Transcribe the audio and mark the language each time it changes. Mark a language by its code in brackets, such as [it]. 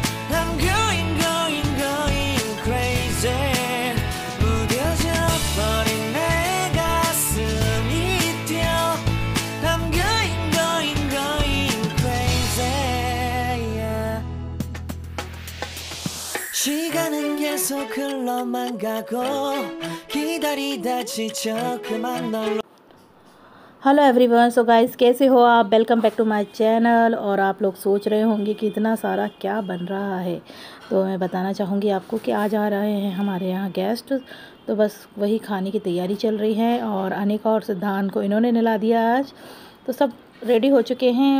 [en] I'm going going going crazy. [ko] 무뎌져버린 내 가슴이 뛰어. [en] I'm going going going crazy. Yeah. [ko] 시간은 계속 흘러만 가고 기다리다 지쳐 그만 널. [en] Hello everyone. So guys [hi] कैसे हो आप. [en] Welcome back to my channel. [hi] और आप लोग सोच रहे होंगे कि इतना सारा क्या बन रहा है, तो मैं बताना चाहूँगी आपको कि आज आ रहे हैं हमारे यहाँ गेस्ट, तो बस वही खाने की तैयारी चल रही है. और अनिका और सिद्धांत को इन्होंने नला दिया आज, तो सब रेडी हो चुके हैं.